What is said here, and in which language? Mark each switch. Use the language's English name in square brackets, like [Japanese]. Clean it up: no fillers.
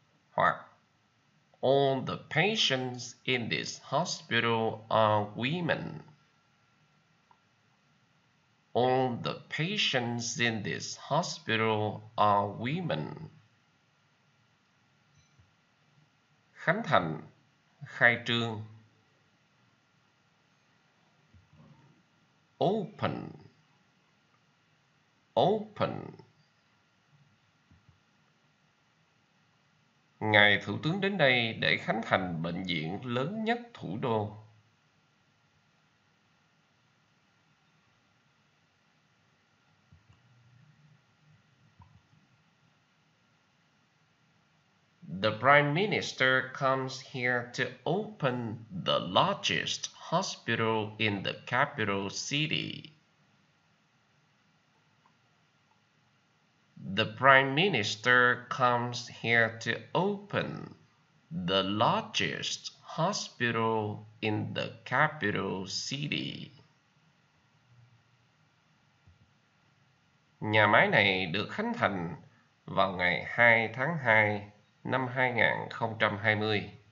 [Vietnamese] Hoặc [English] All the patients in this hospital are women. All the patients in this hospital are women. [Vietnamese] Khánh thành, khai trương. [English] Open. Open. [Vietnamese] Ngài Thủ tướng đến đây để khánh thành bệnh viện lớn nhất thủ đô. [English] The Prime Minister comes here to open the largest hospital in the capital city. The Prime Minister comes here to open the largest hospital in the capital city. [Vietnamese] Nhà máy này được khánh thành vào ngày 2 tháng 2 năm 2020.